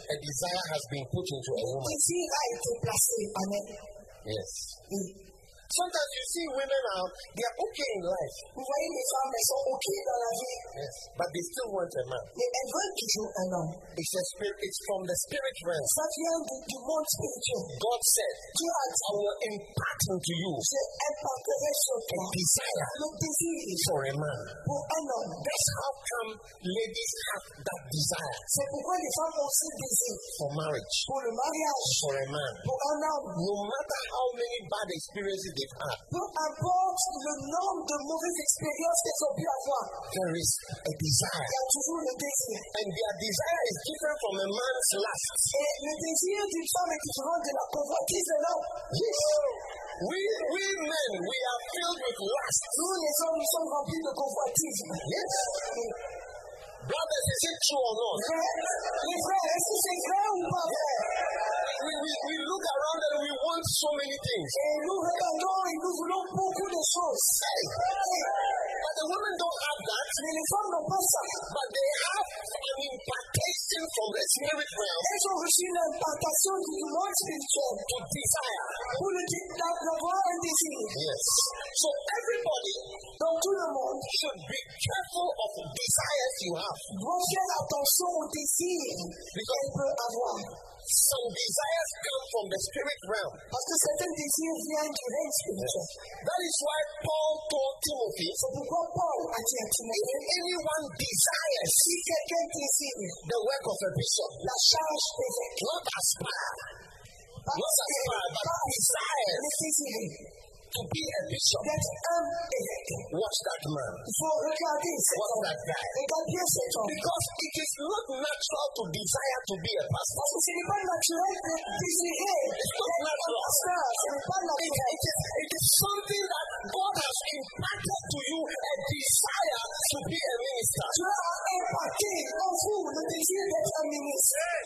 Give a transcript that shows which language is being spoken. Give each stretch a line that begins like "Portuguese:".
English: A desire has been put into a woman.
French: Le désir a été placé en elle.
English: Yes. Sometimes you see women out, they are okay in life.
French: Vous voyez les femmes, elles sont okay dans la vie.
English: Yes. But they still want a man.
French: Mais elles veulent toujours un homme.
English: It's a spirit. It's from the spirit realm.
French: Ça vient du monde spirituel.
English: God said,
French: Dieu a dit,
English: I will impart unto you.
French: Je impacterai sur toi.
English: A desire.
French: Le désir.
English: For a man.
French: Pour un homme.
English: That's how come ladies have that desire.
French: C'est pourquoi les femmes ont ce désir.
English: For marriage.
French: Pour le mariage.
English: For a man.
French: Pour un homme.
English: No matter how many bad experiences.
French: Peu importe le nombre de mauvaises expériences qu'elles ont pu avoir,
English: there is a desire.
French: Il y a toujours le désir.
English: And their desire is different from a man's lust.
French: Et le désir d'une femme est différent de la convoitise de l'homme.
English: Yes. We men, we are filled with lust.
French: Nous les hommes, nous sommes remplis de convoitise.
English: Yes. Brothers, is it true or not?
French: Les frères, est-ce que c'est vrai ou pas vrai?
English: We look around and we want so many things.
French: Et nous regardons et nous voulons beaucoup de choses.
English: Hey. But the women don't have that.
French: Mais les femmes n'ont pas ça.
English: But they have an impartation from the spirit realm.
French: Elles ont reçu une impartation du monde spirituel.
English: To desire.
French: Pour le d'avoir un désir.
English: Yes. So everybody,
French: donc tout le monde,
English: should be careful of the desires you have.
French: Vous faites attention au désir qu'elle peut avoir.
English: Some desires come from the spirit realm.
French: Parce que certains désirs viennent du règne spirituel.
English: That is why Paul told Timothy.
French: So pourquoi Paul a dit à Timothée,
English: if anyone desires,
French: si quelqu'un désire,
English: the work of a bishop,
French: la charge d'évêque,
English: not aspire, not aspire, but desires to be a bishop.
French: D'être un évêque.
English: Watch that man.
French: Il faut regarder cet
English: homme. Watch that guy.
French: Regardez cet homme.
English: Because it is not natural to desire to be a pastor.
French: Parce que ce n'est pas naturel de désirer.
English: It's not natural.
French: Pastor, ce n'est pas naturel.
English: It is something that God has impacted to you, a desire to be a minister.
French: Tu as impacté en vous le désir d'être un ministre.